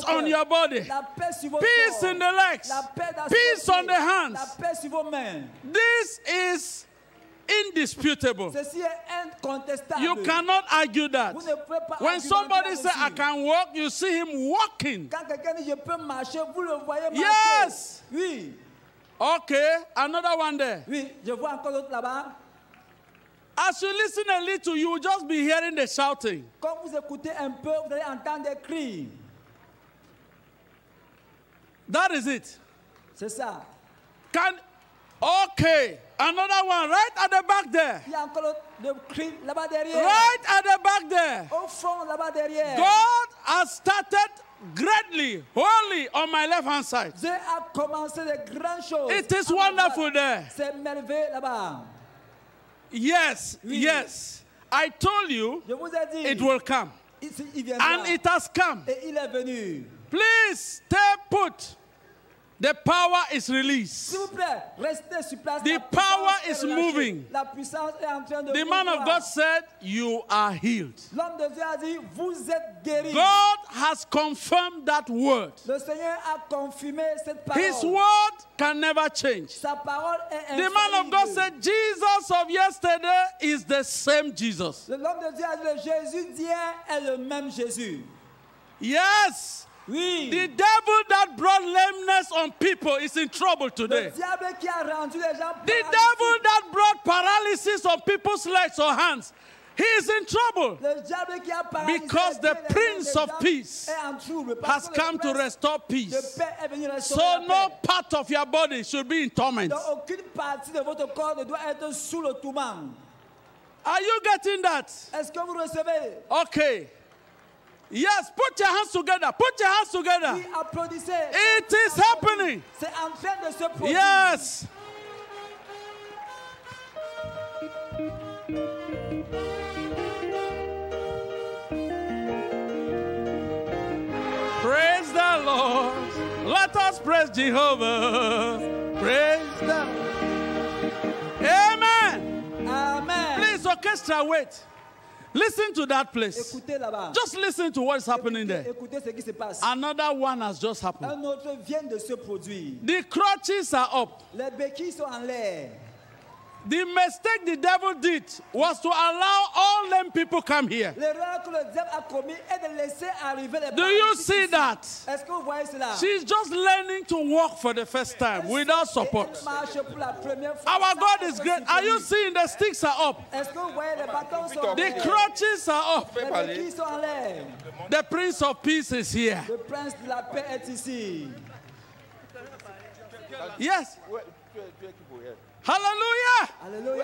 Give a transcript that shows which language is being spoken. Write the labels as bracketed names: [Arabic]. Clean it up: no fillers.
[French] dans vos [English] on your body. [French] La paix sur vos [English] peace [French] corps. [English] In the legs. [French] La paix dans [English] peace [French] vos [English] on the hands. [French] La paix sur vos mains. [English] This is indisputable. [French] Ceci est incontestable. [English] You cannot argue that. [French] Vous ne pouvez pas [English] when somebody says, I can walk, you see him walking. [French] Quand quelqu'un dit, je peux marcher, vous le voyez marcher. [English] Yes. [French] Oui. [English] Okay, another one there. [French] Oui, je vois encore l'autre là-bas. [English] As you listen a little, you will just be hearing the shouting. [French] Quand vous écoutez un peu, vous allez entendre des cris. [English] That is it. [French] C'est ça. [English] Can okay. Another one, right at the back there. [French] Il y a encore le cri là-bas derrière. [English] Right at the back there. [French] Au front, là-bas derrière. [English] God has started greatly, wholly on my left hand side. [French] Dieu a commencé de grandes choses. [English] It is wonderful there. [French] C'est merveilleux là-bas. [English] Yes, [French] oui. [English] Yes. I told you [French] je vous ai dit, [English] it will come. [French] Il viendra. [English] And it has come. [French] Et il est venu. [English] Please stay put. The power is released. [French] S'il vous plaît, restez sur place. [English] The power is moving. [French] La puissance est en train de [English] the man of God said, you are healed. [French] L'homme de Dieu a dit, vous êtes guéri. [English] God has confirmed that word. [French] Le Seigneur a confirmé cette parole. [English] His word can never change. [French] Sa parole est infaillible. [English] The man of God said, Jesus of yesterday is the same Jesus. [French] L'homme de Dieu a dit, le Jésus d'hier est le même Jésus. [English] Yes. [French] Oui. [English] The devil that brought lameness on people is in trouble today. [French] Le diable qui a rendu les gens [English] the devil that brought paralysis on people's legs or hands, he is in trouble. [French] Le diable qui a paralysé [English] because the Prince of Peace has come to restore peace. So no part of your body should be in torment. [French] Aucune partie de votre corps ne doit être sous le tourment. [English] Are you getting that? [French] Est-ce que vous recevez? [English] Okay. Yes, put your hands together. Put your hands together. It is happening. [French] C'est en train de se produire. [English] Yes. Praise the Lord. Let us praise Jehovah. Praise the Lord. Amen. Amen. Please, orchestra, wait. Listen to that place. [French] Écoutez là-bas. [English] Just listen to what is happening [French] écoutez, [English] there. [French] Écoutez ce qui se passe. [English] Another one has just happened. [French] Un autre vient de se produire. [English] The crutches are up. [French] Les béquilles sont en l'air. [English] The mistake the devil did was to allow all them people come here. [French] L'erreur que le diable a commis est de laisser arriver les [English] do you see [French] ici. [English] That? [French] Est-ce que vous voyez cela? [English] She's just learning to walk for the first time [French] est-ce [English] without support. [French] Elle marche pour la première fois. [English] Our God is great. Are you seeing the sticks are up? [French] Est-ce que vous voyez les bâtons sont [English] the crutches are up. [French] Les sont en l'air. [English] The Prince of Peace is here. [French] Le Prince de la Paix est ici. [English] Yes. Hallelujah!